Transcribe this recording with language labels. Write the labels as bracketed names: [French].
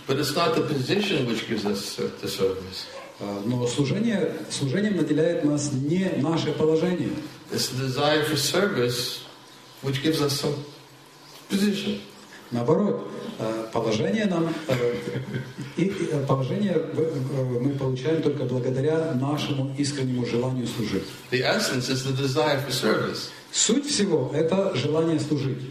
[English] But it's not the position which gives us the service. [Russian] Но служением наделяет нас не наше положение. [English] It's the desire for service which gives us some position. [Russian] Наоборот, положение нам и положение мы получаем только благодаря нашему искреннему желанию служить. [English] The essence is the desire for service. [Russian] Суть всего — это желание служить.